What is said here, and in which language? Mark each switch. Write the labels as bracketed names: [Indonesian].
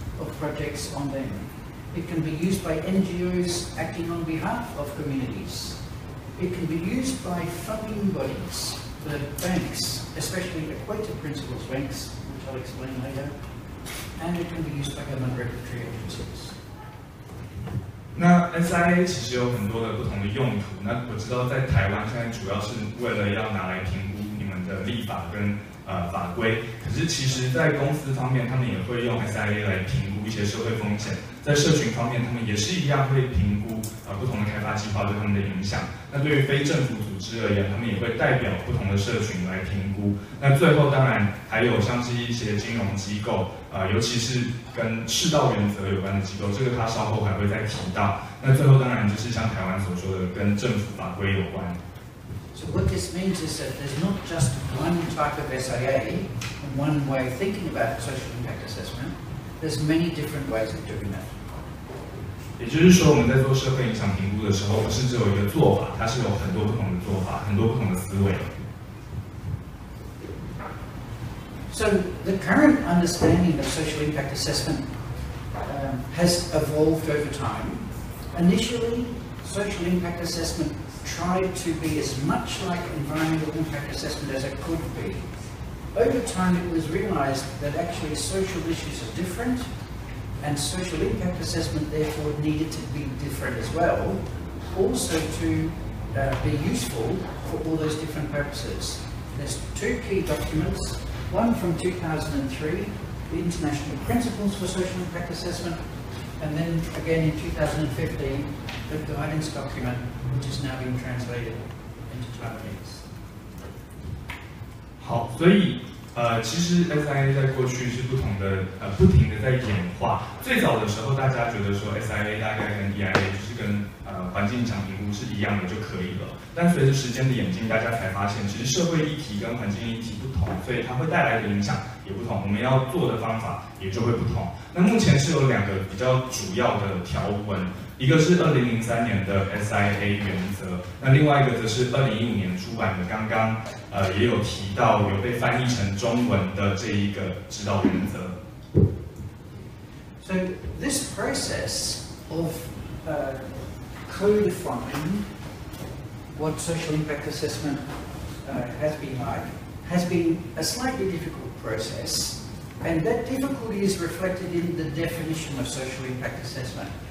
[English] Of projects on them. It can be used by NGOs acting on behalf of communities. It can be used by funding bodies, the banks, especially the equator principles banks, which I'll explain later. And it can be used by government regulatory agencies. [Chinese] 那 SIA 其实有很多的不同的用途。那我知道在台湾现在主要是为了要拿来评估你们的立法跟法规，可是其实在公司方面他们也会用 SIA 来评估一些社会风险，在社群方面他们也是一样会评估不同的开发计划对他们的影响，那对于非政府组织而言他们也会代表不同的社群来评估，那最后当然还有像是一些金融机构尤其是跟赤道原则有关的机构，这个他稍后还会再提到，那最后当然就是像台湾所说的跟政府法规有关。 [English] So what this means is that there's not just one type of SIA and one way of thinking about social impact assessment, there's many different ways of doing that. [Chinese] 也就是说我们在做社会影响评估的时候不是只有一个做法，它是有很多不同的做法，很多不同的思维。 [English] So the current understanding of social impact assessment has evolved over time. Initially, social impact assessmentTried to be as much like environmental impact assessment as it could be. Over time, it was realized that actually social issues are different, and social impact assessment therefore needed to be different as well, also to be useful for all those different purposes. There's two key documents, one from 2003, the International Principles for Social Impact Assessment,and then again in 2015, the guidance document, which is now being translated into Taiwanese. [Chinese] 好，所以其实 SIA 在过去是不同的不停的在演化。最早的时候，大家觉得说 SIA 大概跟 EIA 就是跟环境影响评估是一样的就可以了。但随着时间的演进，大家才发现，其实社会议题跟环境议题不同，所以它会带来的影响也不同，我们要做的方法也就会不同。那目前是有两个比较主要的条文，一个是2003年的 SIA 原则，那另外一个则是2015年出版的，刚刚也有提到有被翻译成中文的这一个指导原则。 [English] So this process of codifying what social impact assessment has been like has been a slightly difficult process, and that difficulty is reflected in the definition of social impact assessment.